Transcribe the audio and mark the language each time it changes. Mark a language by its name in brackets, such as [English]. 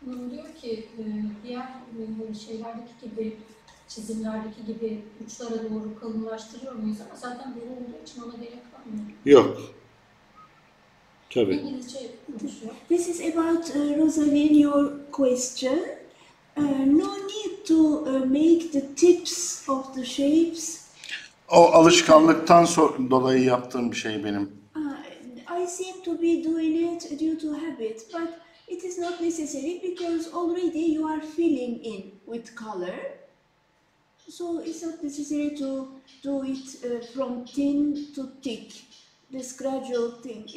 [Turkish] Diyor ki diğer şeylerdeki gibi çizimlerdeki gibi uçlara doğru kalınlaştırıyor muyuz? Ama zaten böyle olduğu için ona gerek var mı? Yok. Tabii. İngilizce konuşuyor. [English] This is about Rosaline, your question. No need to make the tips of the shapes. [Turkish] O alışkanlıktan dolayı yaptığım bir şey benim. [English] I seem to be doing it due to habit, but it is not necessary because already you are filling in with color. So it's not necessary to do it from thin to thick, this gradual thing.